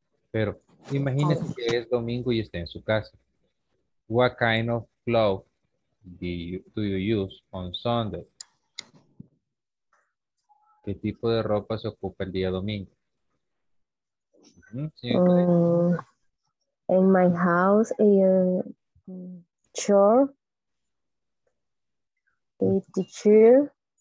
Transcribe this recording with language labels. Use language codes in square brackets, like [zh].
[es] Pero imagínese que es domingo y está en su casa. [en] What kind of cloth do you use on Sunday? [es] ¿Qué tipo de ropa se ocupa el día domingo? [en] In my house, a shirt, a t-shirt,